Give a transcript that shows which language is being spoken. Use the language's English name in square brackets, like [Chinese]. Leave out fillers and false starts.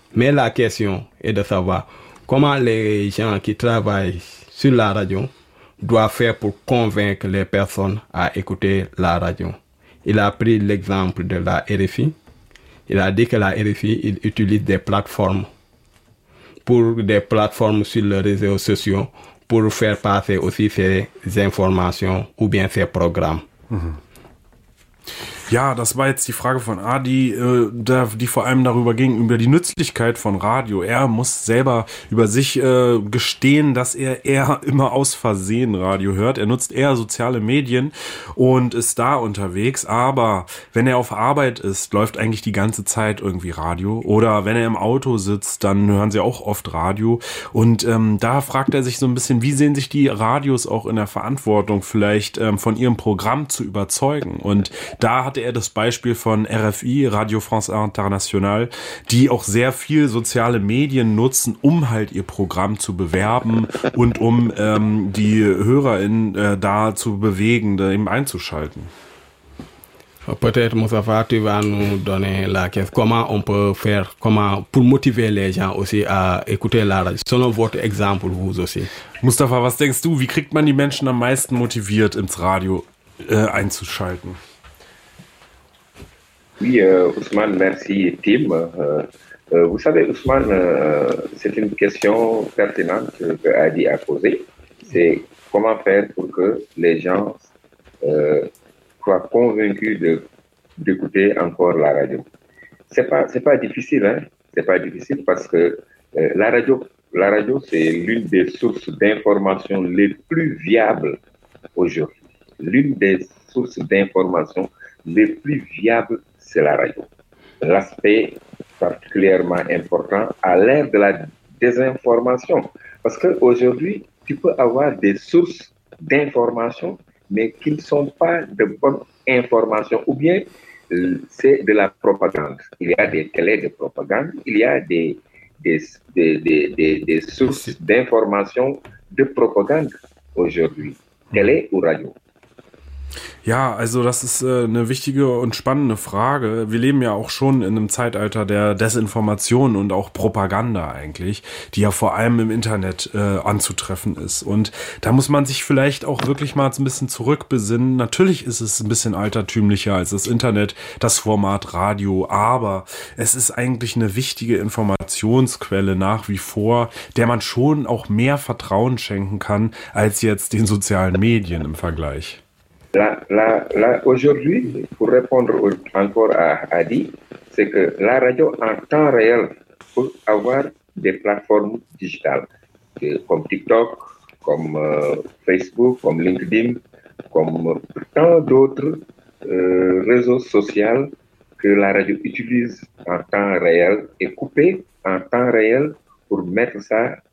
[French] Mais la question est de savoir comment les gens qui travaillent sur la radio doivent faire pour convaincre les personnes à écouter la radio. Il a pris l'exemple de la RFI. Il a dit que la RFI il utilise des plateformes pour des plateformes sur les réseaux sociaux pour faire passer aussi ses informations ou bien ses programmes. [German] Ja, das war jetzt die Frage von Adi, die vor allem darüber ging, über die Nützlichkeit von Radio. Er muss selber über sich gestehen, dass er eher immer aus Versehen Radio hört. Er nutzt eher soziale Medien und ist da unterwegs. Aber wenn er auf Arbeit ist, läuft eigentlich die ganze Zeit irgendwie Radio. Oder wenn er im Auto sitzt, dann hören sie auch oft Radio. Und da fragt er sich so ein bisschen, wie sehen sich die Radios auch in der Verantwortung, vielleicht von ihrem Programm zu überzeugen. Und da hatte er das Beispiel von RFI, Radio France Internationale, die auch sehr viel soziale Medien nutzen, um halt ihr Programm zu bewerben und um die HörerInnen da zu bewegen, da eben einzuschalten. [French] Peut-être, Moustapha, tu vas nous donner la question. Comment on peut faire, comment, pour motiver les gens aussi à écouter la radio, selon votre exemple, vous aussi. [German] Moustapha, was denkst du, wie kriegt man die Menschen am meisten motiviert, ins Radio einzuschalten? [French] Oui, Ousmane, merci, Tim. Vous savez, Ousmane, c'est une question pertinente que Adi a posée. C'est comment faire pour que les gens soient convaincus d'écouter encore la radio. C'est pas difficile, hein. C'est pas difficile parce que la radio, c'est l'une des sources d'information les plus viables aujourd'hui. L'une des sources d'information les plus viables. C'est la radio. L'aspect particulièrement important à l'ère de la désinformation. Parce qu'aujourd'hui, tu peux avoir des sources d'informations, mais qui ne sont pas de bonnes informations. Ou bien, c'est de la propagande. Il y a des télés de propagande, il y a des sources d'informations de propagande aujourd'hui, télé ou radio. [German] Ja, also das ist eine wichtige und spannende Frage. Wir leben ja auch schon in einem Zeitalter der Desinformation und auch Propaganda eigentlich, die ja vor allem im Internet anzutreffen ist. Und da muss man sich vielleicht auch wirklich mal ein bisschen zurückbesinnen. Natürlich ist es ein bisschen altertümlicher als das Internet, das Format Radio. Aber es ist eigentlich eine wichtige Informationsquelle nach wie vor, der man schon auch mehr Vertrauen schenken kann als jetzt den sozialen Medien im Vergleich. [French] Là, aujourd'hui, pour répondre encore à Adi, c'est que la radio en temps réel peut avoir des plateformes digitales, comme TikTok, comme Facebook, comme LinkedIn, comme tant d'autres réseaux sociaux que la radio utilise en temps réel et coupé en temps réel pour mettre ça